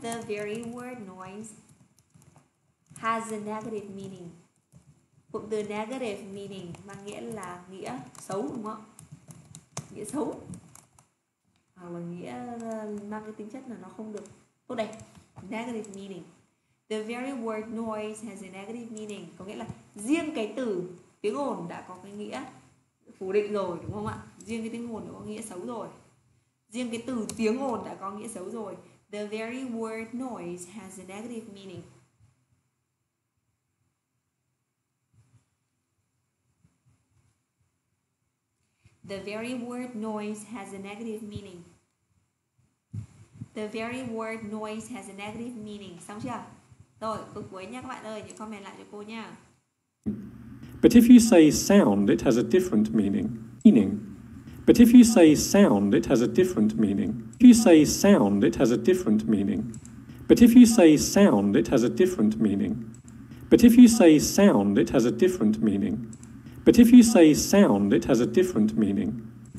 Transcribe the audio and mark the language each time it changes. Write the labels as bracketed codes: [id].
[en] The very word noise has a negative meaning. [vi] Cụm từ [en] negative meaning [vi] mang nghĩa là nghĩa xấu đúng không? Nghĩa xấu. Hoặc là nghĩa mang cái tính chất là nó không được tốt đẹp. [en] Negative meaning. The very word noise has a negative meaning. [vi] Có nghĩa là riêng cái từ tiếng ồn đã có cái nghĩa phủ định rồi đúng không ạ? Riêng cái tiếng ồn đã có nghĩa xấu rồi. Riêng cái từ tiếng ồn đã có nghĩa xấu rồi. [en] The very word noise has a negative meaning. The very word noise has a negative meaning. The very word noise has a negative meaning. [vi] Xong chưa? Rồi, câu cuối nha các bạn ơi, nhớ comment lại cho cô nha. [en] But if you say sound, it has a different meaning. But if you say sound, it has a different meaning. If you say sound, it has a different meaning. But if you say sound, it has a different meaning. But if you say sound, it has a different meaning. But if you say sound, it has a different meaning.